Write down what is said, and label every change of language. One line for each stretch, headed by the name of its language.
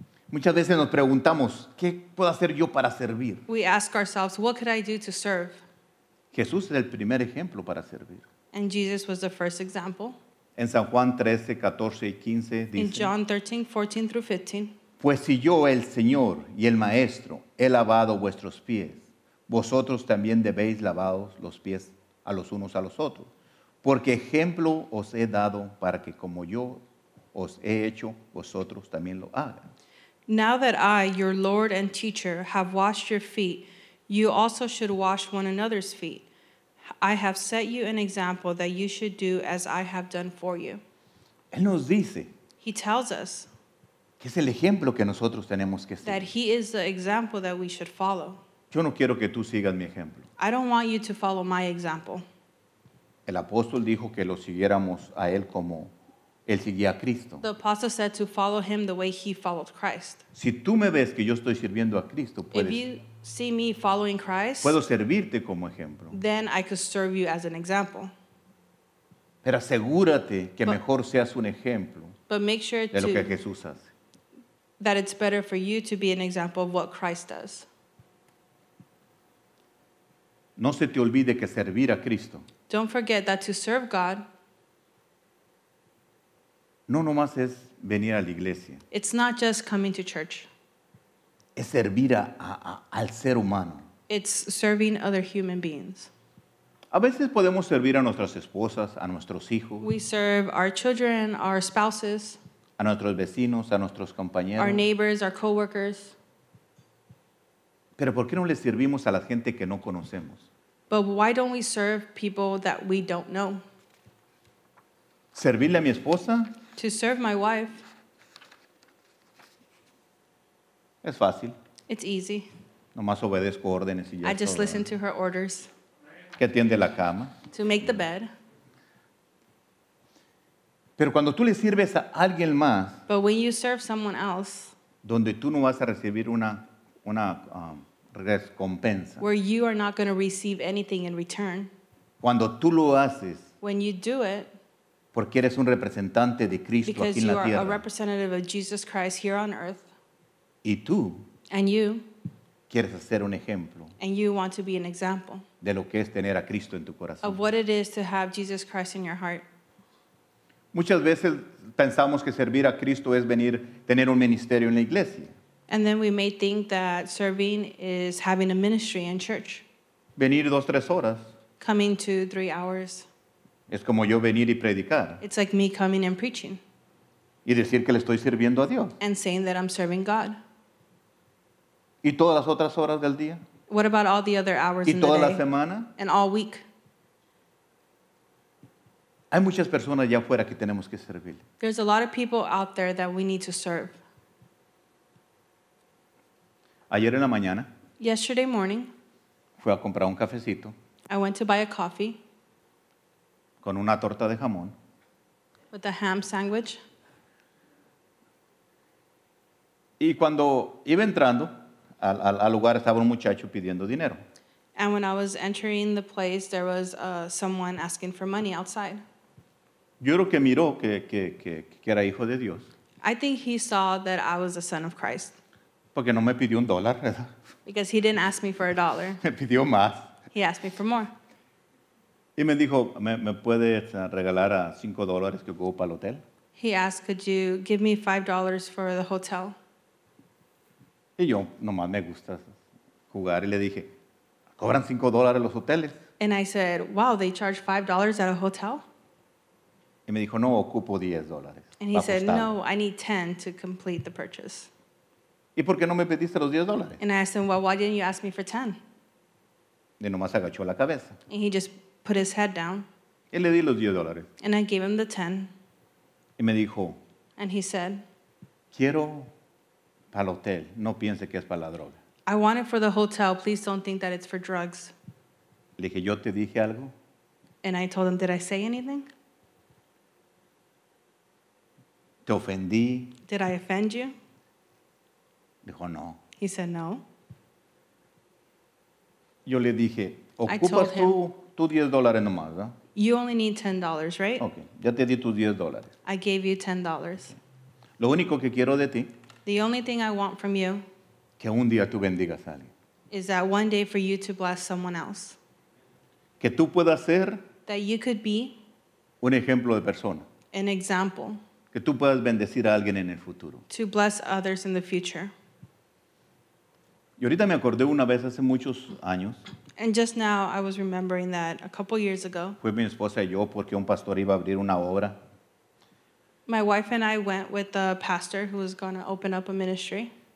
Spanish: Muchas veces nos preguntamos, ¿qué puedo hacer yo para servir?
English: We ask ourselves, what could I do to serve?
Spanish: Jesús es el primer ejemplo para servir.
English: And Jesus was the first example.
Spanish: En San Juan 13, 14 y 15 dice,
English: in John 13, 14 through 15,
Spanish: pues si yo, el Señor y el Maestro, he lavado vuestros pies, vosotros también debéis lavaros los pies a los unos a los otros. Porque ejemplo os he dado para que como yo os he hecho, vosotros también lo hagan.
English: Now that I, your Lord and teacher, have washed your feet, you also should wash one another's feet. I have set you an example that you should do as I have done for you.
Spanish: Él nos dice,
English: he tells us,
Spanish: que es el ejemplo que nosotros tenemos que seguir.
English: That he is the example that we should follow.
Spanish: Yo no quiero que tú sigas mi ejemplo.
English: I don't want you to follow my example.
Spanish: El apóstol dijo que lo siguiéramos a él como él seguía a Cristo.
English: The apostle said to follow him the way he followed Christ.
Spanish: Si tú me ves que yo estoy sirviendo a Cristo, puedes,
English: if you see me following Christ,
Spanish: puedo servirte como ejemplo.
English: Then I could serve you as an example.
Spanish: Pero asegúrate que mejor seas un ejemplo,
English: but make sure
Spanish: de lo que Jesús hace.
English: That it's better for you to be an example of what Christ does.
Spanish: No se te olvide que servir a Cristo,
English: don't forget that to serve God,
Spanish: no nomás es venir a la iglesia.
English: It's not just coming to church.
Spanish: Es servir al ser humano.
English: It's serving other human beings.
Spanish: A veces podemos servir a nuestras esposas, a nuestros hijos.
English: We serve our children, our spouses.
Spanish: A nuestros vecinos, a nuestros compañeros.
English: Our neighbors, our coworkers.
Spanish: Pero ¿por qué no les servimos a la gente que no conocemos?
English: But why don't we serve people that we don't know?
Spanish: ¿Servirle a mi esposa?
English: To serve my wife.
Spanish: Es fácil.
English: It's easy.
Spanish: Nomás obedezco órdenes y ya.
English: I just listen to her orders.
Spanish: Que atiende la cama.
English: To make the bed.
Spanish: Pero cuando tú le sirves a alguien más,
English: but when you serve someone else,
Spanish: donde tú no vas a recibir una recompensa,
English: where you are not going to receive anything in return,
Spanish: cuando tú lo haces,
English: when you do it,
Spanish: porque eres un representante de Cristo aquí en la tierra,
English: because you are a representative of Jesus Christ here on earth,
Spanish: y tú,
English: and you,
Spanish: quieres hacer un ejemplo,
English: and you want to be an example,
Spanish: de lo que es tener a Cristo en tu corazón,
English: of what it is to have Jesus Christ in your heart.
Spanish: Muchas veces pensamos que servir a Cristo es venir, tener un ministerio en la iglesia.
English: And then we may think that serving is having a ministry in church.
Spanish: Venir 2-3 horas.
English: Coming 2-3 hours.
Spanish: Es como yo venir y predicar.
English: It's like me coming and preaching.
Spanish: Y decir que le estoy sirviendo a Dios.
English: And saying that I'm serving God.
Spanish: ¿Y todas las otras horas del día?
English: What about all the other hours in the day?
Spanish: ¿Y toda la semana?
English: And all week.
Spanish: Hay muchas personas allá afuera que tenemos que servir.
English: There's a lot of people out there that we need to serve.
Spanish: Ayer en la mañana,
English: yesterday morning,
Spanish: fui a comprar un cafecito.
English: I went to buy a coffee.
Spanish: Con una torta de jamón.
English: With a ham sandwich.
Spanish: Y cuando iba entrando al lugar, estaba un muchacho pidiendo dinero.
English: And when I was entering the place, there was someone asking for money outside.
Spanish: Yo creo que miró que era hijo de Dios.
English: I think he saw that I was a son of Christ.
Spanish: Porque no me pidió un dólar, ¿verdad?
English: Because he didn't ask me for a dollar.
Spanish: Me pidió más.
English: He asked me for more.
Spanish: Y me dijo, ¿me puedes regalar a $5 que ocupo para el hotel?
English: He asked, could you give me $5 for the hotel?
Spanish: Y yo, nomás me gusta jugar. Y le dije, Cobran $5 los hoteles.
English: And I said, wow, they charge $5 at a hotel?
Spanish: Y me dijo, no, ocupo $10.
English: And he said, no, I need 10 to complete the purchase.
Spanish: ¿Y por qué no me pediste los $10?
English: And I asked him, well, why didn't you ask me for 10?
Spanish: Y nomás agachó la cabeza.
English: And he just put his head down.
Spanish: Y le di los $10.
English: And I gave him the 10.
Spanish: Y me dijo,
English: and he said,
Spanish: quiero para el hotel, no piense que es para la droga.
English: I want it for the hotel, please don't think that it's for drugs.
Spanish: Le dije, yo te dije algo.
English: And I told him, did I say anything?
Spanish: Te ofendí.
English: Did I offend you?
Spanish: Dijo, no.
English: He said, no.
Spanish: Yo le dije, ocupas tú $10 nomás, ¿no?
English: You only need $10, right?
Spanish: Okay, ya te di tus $10.
English: I gave you $10.
Spanish: Lo único que quiero de ti,
English: the only thing I want from you,
Spanish: que un día tú bendigas a alguien,
English: is that one day for you to bless someone else.
Spanish: Que tú puedas ser,
English: that you could be,
Spanish: un ejemplo de persona.
English: An example.
Spanish: Que tú puedas bendecir a alguien en el futuro.
English: To bless others in the future.
Spanish: Y ahorita me acordé una vez hace muchos años.
English: And just now I was remembering that a couple years ago.
Spanish: Fue mi esposa y yo porque un pastor iba a abrir una obra.
English: My wife and I went with a pastor who was going to open up a ministry.